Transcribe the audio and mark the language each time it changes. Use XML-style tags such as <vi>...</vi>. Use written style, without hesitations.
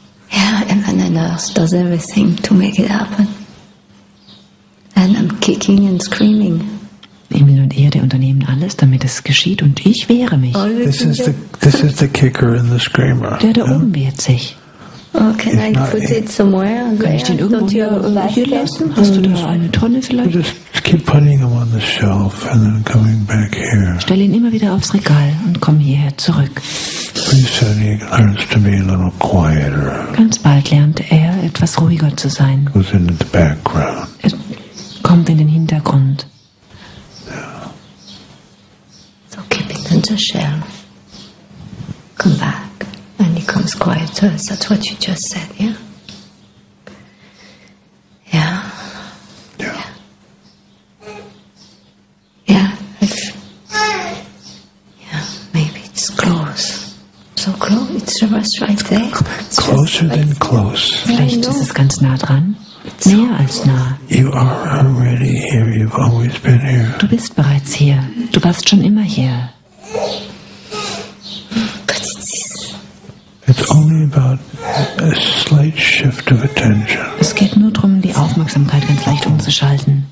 <en>Yeah, heaven and earth does everything to make it happen. And I'm kicking and screaming.</en> <de>Himmel und Erde unternehmen alles, damit es geschieht, und ich wehre mich.</de> <en>This is the kicker and the screamer.</en> <de>Der da oben wehrt sich.</de> <en>Oh, can I put it somewhere?</en> <de>Kann ich den irgendwo hier lassen? Hast du da eine Tonne vielleicht?</de> <en>Just keep putting him on the shelf and then coming back here.</en> <de>Stell ihn immer wieder aufs Regal und komm hierher zurück.</de> <en>Pretty soon he learns to be a little quieter.</en> <de>Ganz bald lernt er, etwas ruhiger zu sein.</de> <en>Goes into the background.</en> <de>Kommt in den Hintergrund.</de> <en>Yeah. So keep it on the shelf. Come back. And it comes quieter. That's what you just said, yeah? Yeah. Yeah. Yeah. Yeah, maybe it's close. So close. It's the rest right there. It's closer like than close.</en> <de>Vielleicht ist es ganz nah dran. Mehr als nah.</de> <en>You are already here. You've always been here.</en> <de>Du bist bereits hier. Du warst schon immer hier.</de> <en>But it's... It's only about a slight shift of attention.</en> <de>Es geht nur darum, die Aufmerksamkeit ganz leicht umzuschalten.</de>